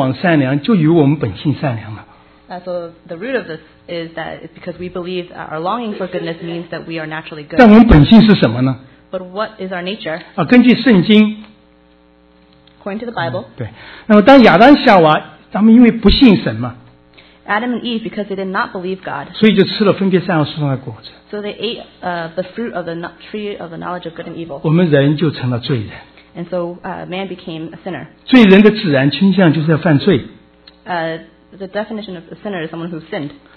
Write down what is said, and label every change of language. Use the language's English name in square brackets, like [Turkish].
[Chinese] 我们所有的这个根基都在于，我们人向往善良，就由我们本性善良了。 [English] So the root of this is that it's because we believe our longing for goodness means that we are naturally good. [Chinese] 但我们本性是什么呢？ [English] But what is our nature? [Chinese] 啊，根据圣经。 [English] According to the Bible. [Chinese] 对，那么当亚当夏娃，他们因为不信神嘛。 [English] Adam and Eve, because they did not believe God. So they ate the fruit of the tree of the knowledge of good and evil. And so man became a sinner. The definition of a sinner is someone who sinned.